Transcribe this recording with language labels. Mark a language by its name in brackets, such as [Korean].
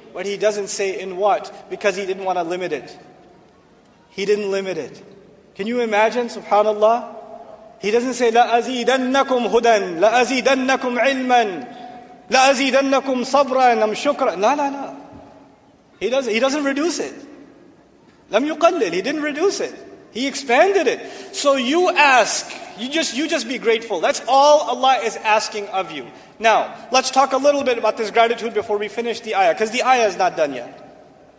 [English] But He doesn't say in what, because He didn't want to limit it. He didn't limit it. Can you imagine, subhanAllah? He doesn't say, [Arabic] لَأَزِيدَنَّكُمْ هُدًا, لَأَزِيدَنَّكُمْ عِلْمًا, لَأَزِيدَنَّكُمْ صَبْرًا أَمْ شُكْرًا. [English] No. He doesn't reduce it. [Arabic] لَمْ يُقَلِّلْ. [English] He didn't reduce it. He expanded it. So you ask, you just be grateful. That's all Allah is asking of you. Now, let's talk a little bit about this gratitude before we finish the ayah, because the ayah is not done yet.